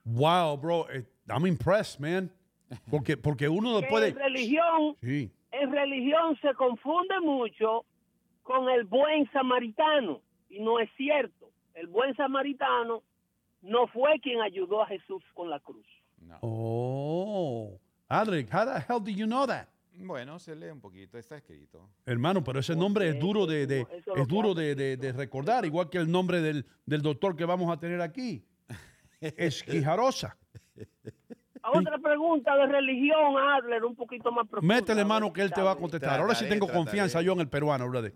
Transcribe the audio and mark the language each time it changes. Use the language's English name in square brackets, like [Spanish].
[English] ¡Wow, bro! I'm impressed, man. [Spanish] Porque uno no puede... religión... Sí. en religión se confunde mucho con el buen samaritano, y no es cierto. El buen samaritano no fue quien ayudó a Jesús con la cruz. No. [English] Oh, Adric, how the hell do you know that? [Spanish] Bueno, se lee un poquito, está escrito. Hermano, pero ese nombre es duro de recordar, igual que el nombre del doctor que vamos a tener aquí. Es Quijarosa. Otra pregunta de religión, Adler, un poquito más profunda. Métele mano que él te va a contestar. Ahora sí tengo confianza yo en el peruano, brother.